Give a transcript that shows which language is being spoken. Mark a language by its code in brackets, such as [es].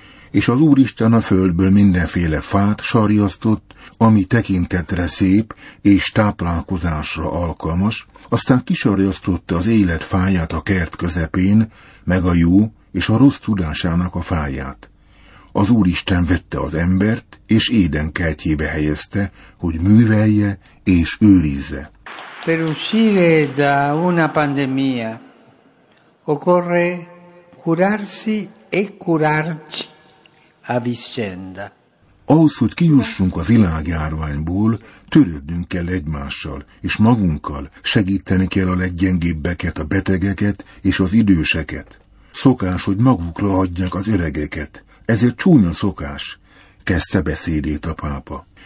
[hu] És az Úristen a földből mindenféle fát sarjasztott, ami tekintetre szép és táplálkozásra alkalmas, aztán kisarjasztotta az élet fáját a kert közepén, meg a jó és a rossz tudásának a fáját. Az Úristen vette az embert, és Éden kertjébe helyezte, hogy művelje és őrizze. [it] Per uscire da una pandemia, occorre curarsi e curarci a vicenda. [hu] Ahhoz, hogy kijussunk a világjárványból, törődnünk kell egymással, és magunkkal segíteni kell a leggyengébbeket, a betegeket és az időseket. Szokás, hogy magukra adják az öregeket. Ez egy csúnya szokás, kezdte beszédét a pápa.